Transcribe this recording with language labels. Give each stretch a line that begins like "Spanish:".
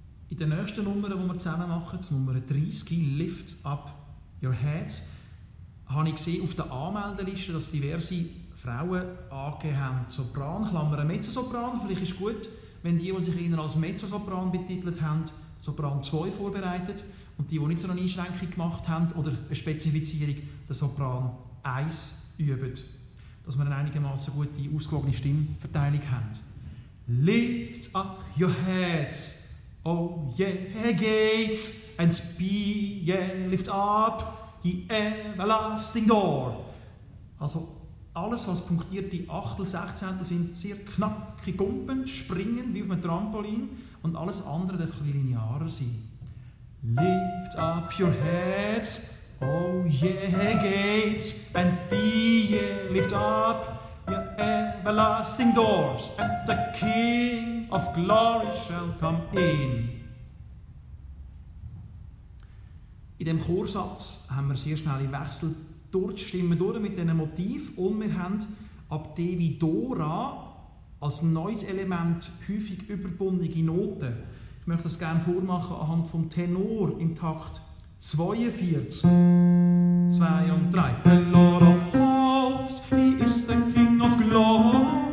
German: In der nächsten Nummer, die wir zusammen machen, die Nummer 30, Lift Up Your Heads, habe ich gesehen auf der Anmeldeliste, dass diverse Frauen angegeben haben, Sopran, Klammer, Mezzosopran. Vielleicht ist es gut, wenn die, die sich eher als Mezzosopran betitelt haben, Sopran 2 vorbereitet und die, die nicht so eine Einschränkung gemacht haben oder eine Spezifizierung, den Sopran 1 üben, dass wir eine einigermaßen gute, ausgewogene Stimmverteilung haben.
English: Lift up your heads, oh yeah, gates, and speak, yeah, lift up the everlasting door.
German: Also, alles, was punktierte Achtel, Sechzehntel sind, sehr knackige Gumpen, springen wie auf einem Trampolin. Und alles andere darf ein bisschen linearer sein.
English: Lift up your heads, oh yeah, gates, and be ye, lift up your everlasting doors, and the King of Glory shall come in.
German: In diesem Chorsatz haben wir sehr schnell im Wechsel durch die Stimme durch mit diesem Motiv und wir haben ab D wie Dora als neues Element häufig überbundige Noten. Ich möchte das gerne vormachen anhand vom Tenor im Takt 42, 2 und 3.
English: The Lord of Hosts, he is the King of Glory.